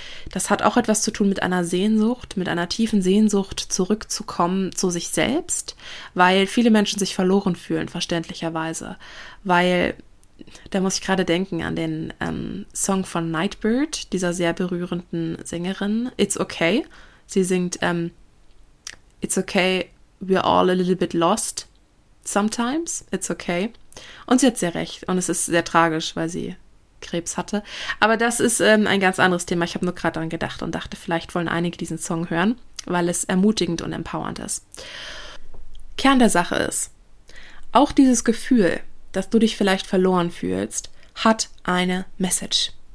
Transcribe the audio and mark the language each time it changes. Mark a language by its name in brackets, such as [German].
[German] Das hat auch etwas zu tun mit einer Sehnsucht, mit einer tiefen Sehnsucht, zurückzukommen zu sich selbst, weil viele Menschen sich verloren fühlen, verständlicherweise. Weil, da muss ich gerade denken an den Song von Nightbird, dieser sehr berührenden Sängerin, It's Okay. Sie singt, [English] It's okay, we're all a little bit lost sometimes, it's okay. [German] Und sie hat sehr recht. Und es ist sehr tragisch, weil sie Krebs hatte. Aber das ist ein ganz anderes Thema. Ich habe nur gerade daran gedacht und dachte, vielleicht wollen einige diesen Song hören, weil es ermutigend und empowernd ist. Kern der Sache ist, auch dieses Gefühl, dass du dich vielleicht verloren fühlst, hat eine Message.